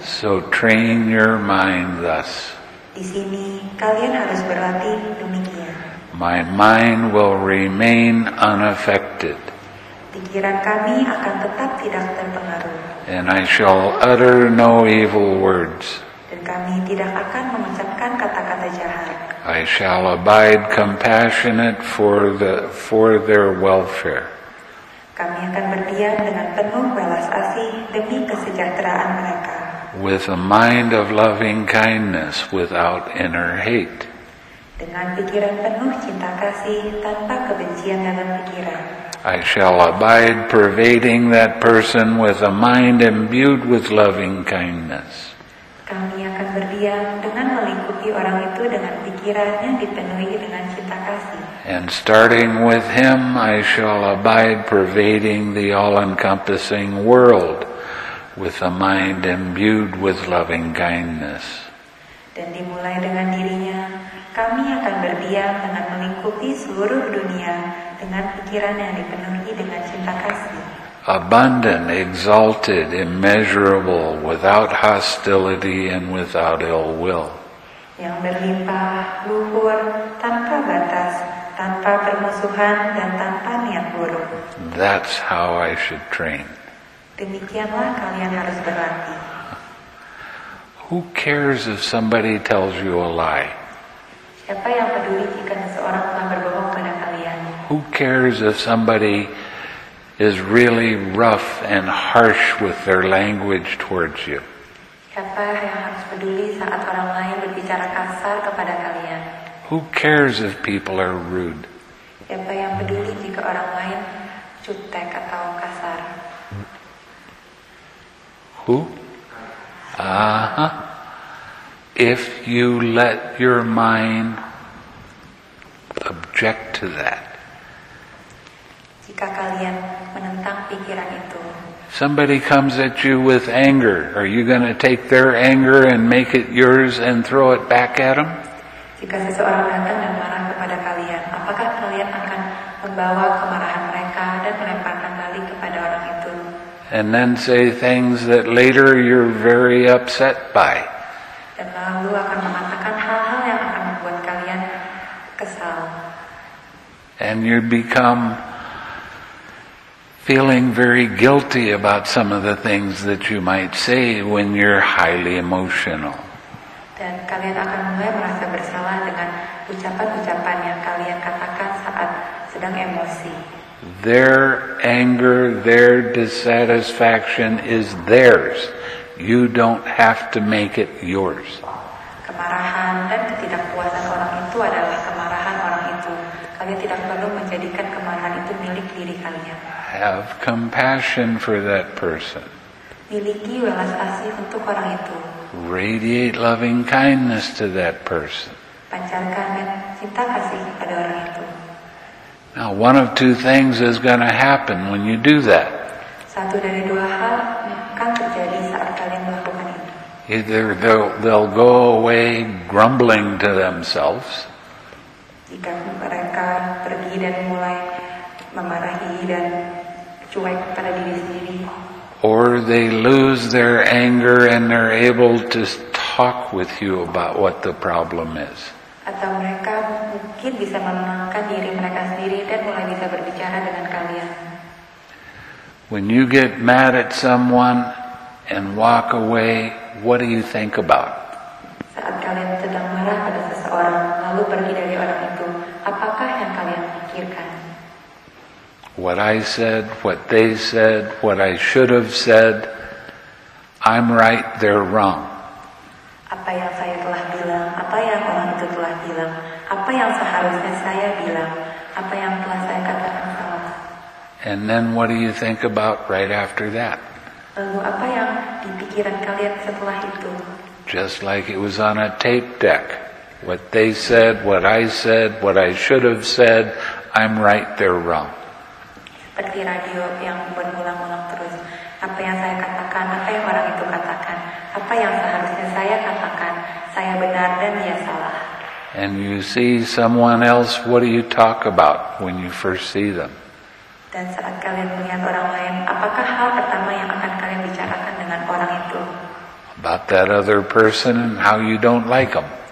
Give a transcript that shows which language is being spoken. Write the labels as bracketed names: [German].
[English] So train your mind thus. [Indonesian] Di sini, kalian harus berlatih demikian. [English] My mind will remain unaffected. [Indonesian] Pikiran kami akan tetap tidak terpengaruh. [English] And I shall utter no evil words. [Indonesian] Dan kami tidak akan mengucapkan kata-kata jahat. [English] I shall abide compassionate for their welfare. [Indonesian] Kami akan berdiam dengan penuh welas asih demi kesejahteraan mereka. [English] With a mind of loving kindness without inner hate. [Indonesian] Dengan pikiran penuh cinta kasih tanpa kebencian dalam pikiran. [English] I shall abide pervading that person with a mind imbued with loving kindness. [Indonesian] Kami akan berdiam dengan melingkupi orang itu dengan pikiran yang dipenuhi dengan cinta kasih. [English] And starting with him, I shall abide pervading the all-encompassing world with a mind imbued with loving kindness. [Indonesian] Dan dimulai dengan dirinya, kami akan berdiam dengan melingkupi seluruh dunia dengan pikiran yang dipenuhi dengan cinta kasih. [English] Abundant, exalted, immeasurable, without hostility and without ill will. [Indonesian] Yang berlimpah, luhur, tanpa batas, tanpa permusuhan, dan tanpa niat buruk. [English] That's how I should train. [Indonesian] Demikianlah kalian harus berlatih. [English] Who cares if somebody tells you a lie? [Indonesian] Siapa yang peduli jika seseorang telah berbohong pada kalian? [English] Who cares if somebody is really rough and harsh with their language towards you? [Indonesian] Siapa yang harus peduli saat orang lain berbicara kasar kepada kalian? [English] Who cares if people are rude? [Indonesian] Siapa yang peduli jika orang lain cutek atau kasar? [English] Who? If you let your mind object to that. [Indonesian] jika kalian menentang pikiran itu. [English] Somebody comes at you with anger. Are you going to take their anger and make it yours and throw it back at them? [Indonesian] Jika seseorang datang dan marah kepada kalian, apakah kalian akan membawa kemarahan mereka dan melemparkan balik kepada orang itu? [English] And then say things that later you're very upset by. [Indonesian] Dan lalu akan mengatakan hal-hal yang akan membuat kalian kesal. [English] And you become feeling very guilty about some of the things that you might say when you're highly emotional. [Indonesian] Dan kalian akan mulai merasa bersalah dengan ucapan-ucapan yang kalian katakan saat sedang emosi. [English] Their anger, their dissatisfaction is theirs. You don't have to make it yours. [Indonesian] Kemarahan dan ketidakpuasan orang itu adalah kemarahan orang itu. Kalian tidak perlu menjadikan kemarahan itu milik diri kalian. [English] Have compassion for that person. [Indonesian] Miliki welas asih untuk orang itu. [English] Radiate loving kindness to that person. [Indonesian] Pancarkan cinta kasih kepada orang itu. [English] Now, one of two things is going to happen when you do that. [Indonesian] Satu dari dua hal akan terjadi saat kalian melakukan itu. [English] Either they'll go away grumbling to themselves. [Indonesian] Jika mereka pergi dan mulai memarahi dan cuek pada diri sendiri. [English] Or they lose their anger and they're able to talk with you about what the problem is. [Indonesian] Atau mereka mungkin bisa menenangkan diri mereka sendiri dan mulai bisa berbicara dengan kalian. [English] When you get mad at someone and walk away, what do you think about? [Indonesian] Saat kalian sedang marah pada seseorang lalu pergi dari orang itu, apakah yang kalian pikirkan? [English] What I said, what they said, what I should have said, I'm right, they're wrong. [Indonesian] Apa yang saya telah bilang, apa yang orang itu telah bilang, apa yang seharusnya saya bilang, apa yang telah saya katakan salah. [English] And then what do you think about right after that? [Indonesian] Lalu apa yang di pikiran kalian setelah itu? [English] Just like it was on a tape deck. What they said, what I should have said, I'm right, they're wrong. [Indonesian] Seperti radio yang berulang-ulang terus. Apa yang saya katakan, apa yang orang itu katakan, apa yang seharusnya saya katakan, saya benar dan dia salah. [English] And you see someone else, what do you talk about when you first see them? [Indonesian] Dan saat kalian melihat orang lain, apakah hal pertama yang akan kalian bicarakan dengan orang itu? [English] About that other person and how you don't like them.